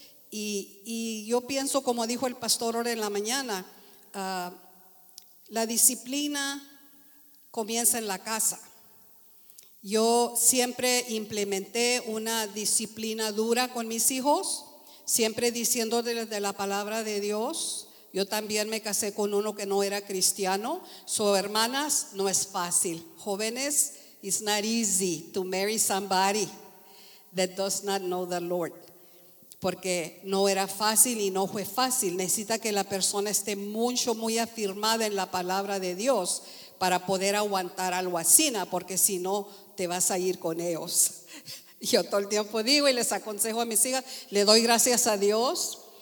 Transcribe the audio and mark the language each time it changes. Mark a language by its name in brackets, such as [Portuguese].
[Spanish] Y yo pienso, como dijo el pastor ahora en la mañana, la disciplina comienza en la casa. Yo siempre implementé una disciplina dura con mis hijos, siempre diciendo de la palabra de Dios. Yo también me casé con uno que no era cristiano. So, hermanas, no es fácil. [English] Jóvenes, it's not easy to marry somebody that does not know the Lord. [Spanish] Porque no era fácil y no fue fácil. Necesita que la persona esté mucho, muy afirmada en la palabra de Dios para poder aguantar algo así, porque si no, te vas a ir con ellos. Yo todo el tiempo digo y les aconsejo a mis hijas, le doy gracias a Dios